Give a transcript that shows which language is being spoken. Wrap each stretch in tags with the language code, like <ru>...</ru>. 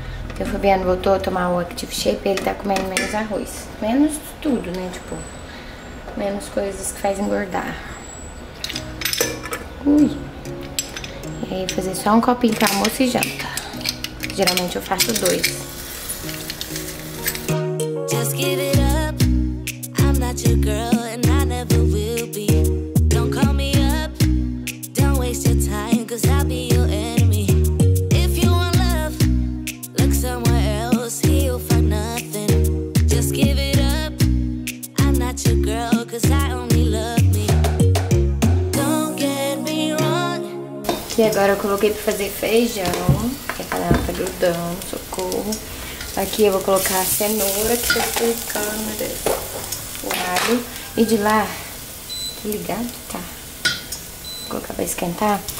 <pt>Porque o Fabiano voltou a tomar o Active Shape, ele tá comendo menos arroz. Menos tudo, né? Tipo, menos coisas que faz engordar. Ui! E aí, vou fazer só um copinho pra almoço e janta. Geralmente eu faço dois.</pt> <en>Just give it up. I'm not your girl and I never will be. Don't call me up, don't waste your time, cause I'll be your enemy. If you want love, look somewhere else, he'll find nothing. Just give it up, I'm not your girl, cause I only love me. Don't get me wrong.</en> <pt>E agora eu coloquei pra fazer feijão, que a panela tá grudando, socorro. Aqui eu vou colocar a cenoura que tá ficando. Lado. E de lá, tá ligado? Tá. Vou colocar pra esquentar.</pt>